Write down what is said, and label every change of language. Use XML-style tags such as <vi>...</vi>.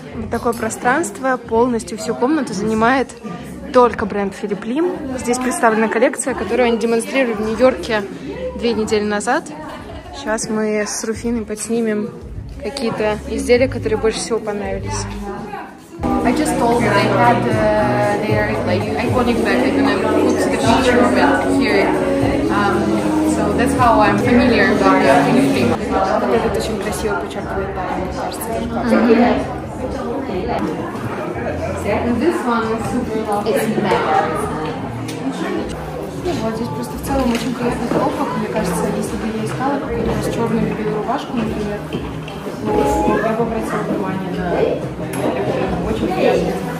<ru>Такое пространство полностью всю комнату занимает только бренд Philip Lim. Здесь представлена коллекция, которую они демонстрировали в Нью-Йорке 2 недели назад. Сейчас мы с Руфиной подснимем какие-то изделия, которые больше всего понравились.</ru> <en>I just told that I had their like iconic bag, and I put the picture of it here. So that's how I'm familiar with the Philip Lim.</en> <ru>Этот очень красиво подчеркивает сердце. Вот здесь просто в целом очень классный хлопок. Мне кажется, если бы я искала какую-нибудь черную любимую рубашку, например, то я бы обратила внимание на очень приятно.</ru>